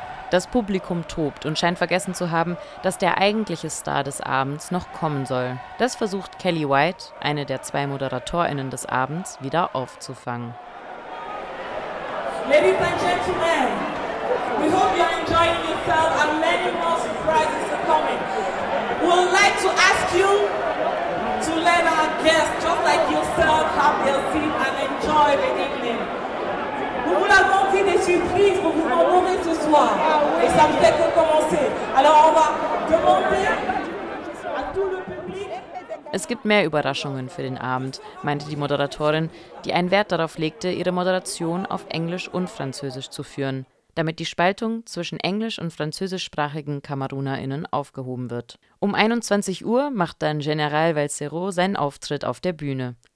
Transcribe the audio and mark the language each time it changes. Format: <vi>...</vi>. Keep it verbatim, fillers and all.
<de>Das Publikum tobt und scheint vergessen zu haben, dass der eigentliche Star des Abends noch kommen soll. Das versucht Kelly White, eine der zwei ModeratorInnen des Abends, wieder aufzufangen.</de> <en>Ladies and gentlemen, we hope you are enjoying yourself and many more surprises are coming. We would like to ask you to let our guests, just like yourself, have their seat and enjoy the evening.</en> <fr>Nous vous avons dit des surprises pour vous envoyer ce soir. Et ça ne fait que commencer. Alors on va demander à tout le public.</fr> <de>Es gibt mehr Überraschungen für den Abend, meinte die Moderatorin, die einen Wert darauf legte, ihre Moderation auf Englisch und Französisch zu führen, damit die Spaltung zwischen englisch- und französischsprachigen KamerunerInnen aufgehoben wird. Um einundzwanzig Uhr macht dann General Valsero seinen Auftritt auf der Bühne.</de>